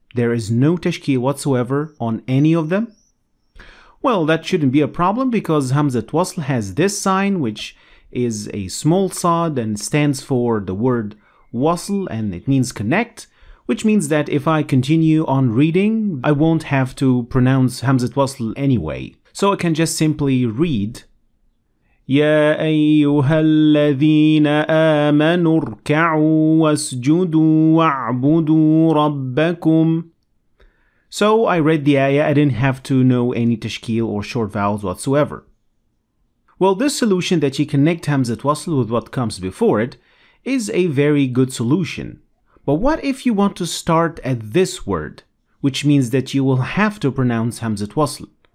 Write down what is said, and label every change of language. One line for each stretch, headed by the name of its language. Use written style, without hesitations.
English: There is no tashkeel whatsoever on any of them? Well, that shouldn't be a problem because Hamzat Wasl has this sign, which is a small sad and stands for the word wasl, and it means connect, which means that if I continue on reading, I won't have to pronounce Hamzat Wasl anyway. So I can just simply read,
Arabic: يَا أَيُّهَا الَّذِينَ آمَنُوا ارْكَعُوا وَاسْجُدُوا وَاعْبُدُوا رَبَّكُمْ.
English: So I read the ayah, I didn't have to know any tashkeel or short vowels whatsoever. Well, this solution that you connect Hamzat Wasl with what comes before it is a very good solution. But what if you want to start at this word, which means that you will have to pronounce Hamzat Wasl?